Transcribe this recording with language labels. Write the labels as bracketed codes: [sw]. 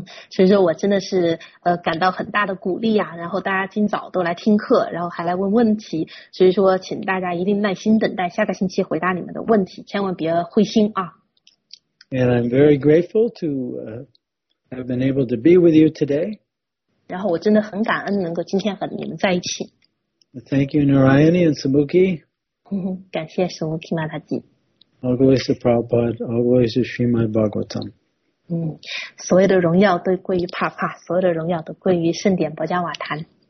[zh] 所以说我真的是感到很大的鼓励啊，然后大家今早都来听课，然后还来问问题，所以说请大家一定耐心等待下个星期回答你们的问题，千万别灰心啊。 [en] And I'm very grateful to have been able to be with you today. [zh] 然后我真的很感恩能够今天和你们在一起。 [en] Thank you, Narayani and Samuki. [zh] 感谢 Samuki Mataji. [en] Always a Prabhupada, always a Srimad Bhagavatam. [zh] 所有的荣耀都归于帕帕，所有的荣耀都归于圣典薄伽瓦坛。